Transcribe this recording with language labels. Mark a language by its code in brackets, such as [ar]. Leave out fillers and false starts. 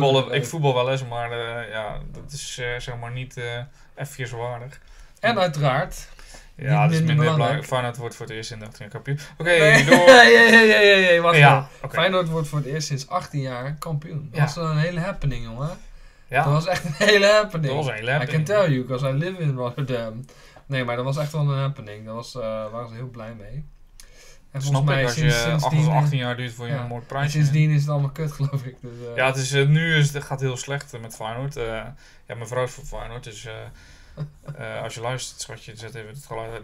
[nl] Ik voetbal wel eens, maar dat is zeg maar niet F-jes waardig. En uiteraard. Ja, dat is minder belangrijk. Feyenoord wordt voor het eerst in de 18 jaar kampioen. Oké, okay, nee. Door. Wacht. Feyenoord wordt voor het eerst sinds 18 jaar kampioen. Dat is een hele happening, jongen. Ja. Dat was echt een hele happening. Dat was een hele happening. [en] I can tell you, because I live in Rotterdam. [nl] Nee, maar dat was echt wel een happening. Daar waren ze heel blij mee. En snap mij, ik, als sindsdien, 18 jaar duurt voor je een mooi prijsje. Sindsdien is het allemaal kut, geloof ik. Dus, ja, het is, nu is het, gaat het heel slecht met Feyenoord. Mijn vrouw is voor Feyenoord, dus als je luistert, schatje, zet even het geluid uit.